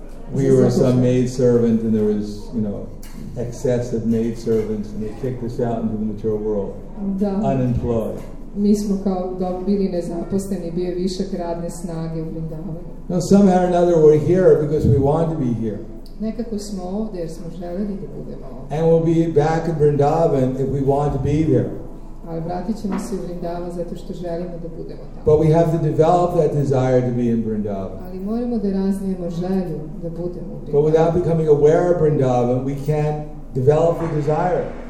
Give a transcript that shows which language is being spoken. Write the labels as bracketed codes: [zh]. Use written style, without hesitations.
[en] We were some maid servant and there was, you know, excessive maid servants and they kicked us out into the material world. [sr] Da. [en] Unemployed. [sr] Mi smo kao bili nezaposleni, bio višak radne snage u Vrindavanu. [en] No, somehow or another we're here because we want to be here. [sr] Nekako smo ovde jer smo želeli da budemo ovde. [en] And we'll be back in Vrindavan if we want to be there. [sr] Ali vratit ćemo se u Vrindavan zato što želimo da budemo tamo. [en] But we have to develop that desire to be in Vrindavan. [sr] Ali moramo da razvijemo želju da budemo u Vrindavan. [en] But without becoming aware of Vrindavan, we can't develop the desire.